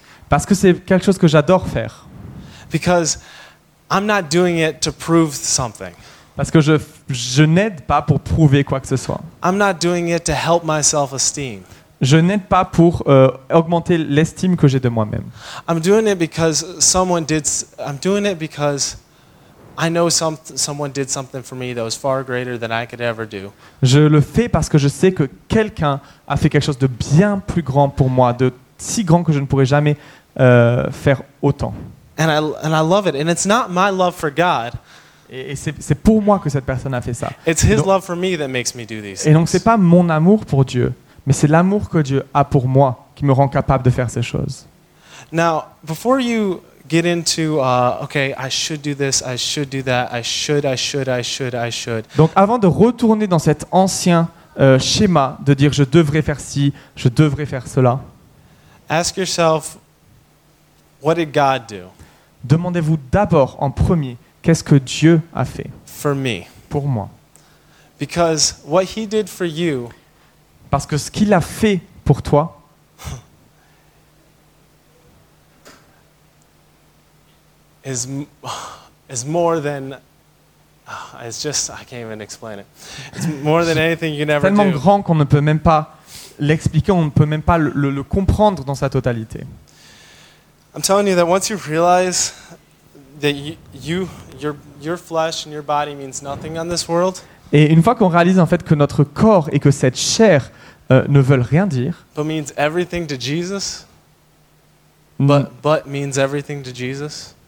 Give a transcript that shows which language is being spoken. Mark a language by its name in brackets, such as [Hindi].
[French] Parce que c'est quelque chose que j'adore faire. [English] Because I'm not doing it to prove something. [French] Parce que je n'aide pas pour prouver quoi que ce soit. [English] I'm not doing it to help my self-esteem. [French] Je n'aide pas pour augmenter l'estime que j'ai de moi-même. [English] I'm doing it because someone did. I'm doing it because I know someone did something for me that was far greater than I could ever do. [French] Je le fais parce que je sais que quelqu'un a fait quelque chose de bien plus grand pour moi, de si grand que je ne pourrais jamais faire autant. [English] And I love it. And it's not my love for God. [French] Et c'est pour moi que cette personne a fait ça. [English] It's his love for me that makes me do these things. [French] Et donc c'est pas mon amour pour Dieu, mais c'est l'amour que Dieu a pour moi qui me rend capable de faire ces choses. [English] Now, before you get into okay, I should do this, I should do that, I should. [French] Donc avant de retourner dans cet ancien schéma de dire je devrais faire ci, je devrais faire cela. [English] Ask yourself, what did God do? [French] Demandez-vous d'abord en premier, qu'est-ce que Dieu a fait [English] for me. [French] Pour moi? [English] Because what he did for you, [French] parce que ce qu'il a fait pour toi, [English] is more than, it's just, I can't even explain it. It's more than anything you can ever [French] tellement [English] do. [French] Grand qu'on ne peut même pas l'expliquer, on ne peut même pas le comprendre dans sa totalité. [English] I'm telling you that once you realize that your flesh and your body means nothing on this world. [French] Et une fois qu'on réalise en fait que notre corps et que cette chair ne veulent rien dire. [English] But means everything to Jesus. But means everything to Jesus.